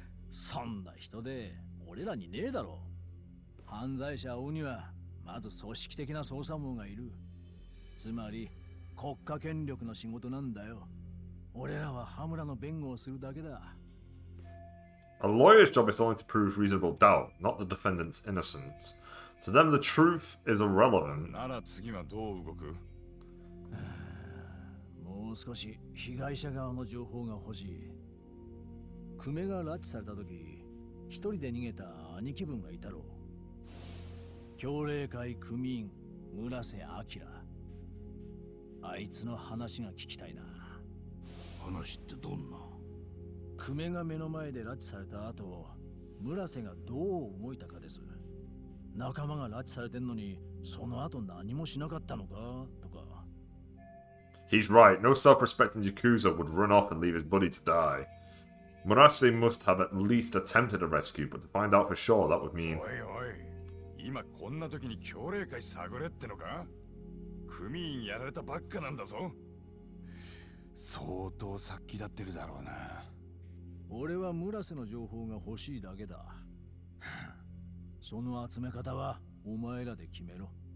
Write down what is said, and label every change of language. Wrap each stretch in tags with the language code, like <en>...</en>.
<ja>そんな人で俺らにねえだろ。犯罪者王にはまず組織的な捜査網がいる。つまり国家権力の仕事なんだよ。俺らは羽村の弁護をするだけだ。</ja> <en>A lawyer's job is only to prove reasonable doubt, not the defendant's innocence. To them, the truth is irrelevant.</en> <ja>なら次はどう動く？もう少し被害者側の情報が欲しい。久米が拉致された時、一人で逃げた兄貴分がいたろう。教令会組員村瀬明、あいつの話が聞きたいな。話ってどんな？久米が目の前で拉致された後、村瀬がどう動いたかです。仲間が拉致されてんのにその後何もしなかったのかとか、</ja> <en>He's right. No self-respecting Yakuza would run off and leave his buddy to die. Murase must have at least attempted a rescue, but to find out for sure, that would mean... Oi, oi.</en> <ja>今こんな時に協力会探れってのか?組員やられたばっかなんだぞ。相当殺気立ってるだろうな。俺は村瀬の情報が欲しいだけだ。その集め方はお前らで決めろ。</ja>